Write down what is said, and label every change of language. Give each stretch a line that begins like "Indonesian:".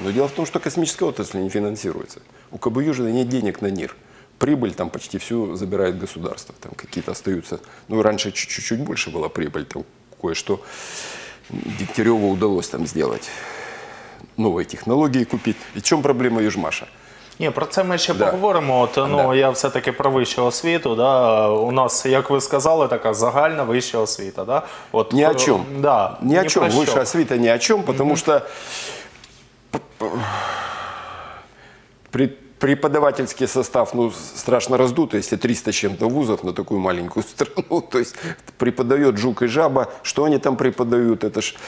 Russian: Но дело в том, что космическая отрасль не финансируется. У КБ Южина нет денег на НИР. Прибыль там почти всю забирает государство. Там какие-то остаются... Ну, раньше чуть-чуть больше была прибыль, там кое-что... Дегтяреву удалось там сделать, новые технологии купить. И в чем проблема Южмаша?
Ukrainian: Ні, про це ми ще поговоримо. От, ну, я все-таки про вищу освіту. Да? У нас, як ви сказали, така загальна вища освіта. Да? От, ні о чому. Да, ні о чому. Вища освіта ні о чому, тому що
Russian: преподавательский состав, ну, страшно раздут, если 300 чем-то вузов на такую маленькую страну, то есть преподает жук и жаба, что они там преподают, это ж...